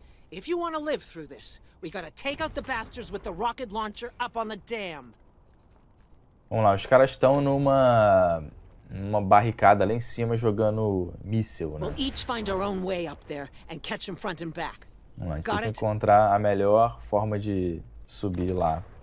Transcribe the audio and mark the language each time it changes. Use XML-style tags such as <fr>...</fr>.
<en>If you want to live through this, we gotta take out the bastards with the rocket launcher up on the dam.</en> <pt>Vamos lá, os caras estão numa barricada lá em cima jogando míssil, né?</pt> <en>We'll each find our own way up there and catch him front and back.</en> <pt>Vamos lá, a gente tem que encontrar a melhor forma de subir lá.</pt>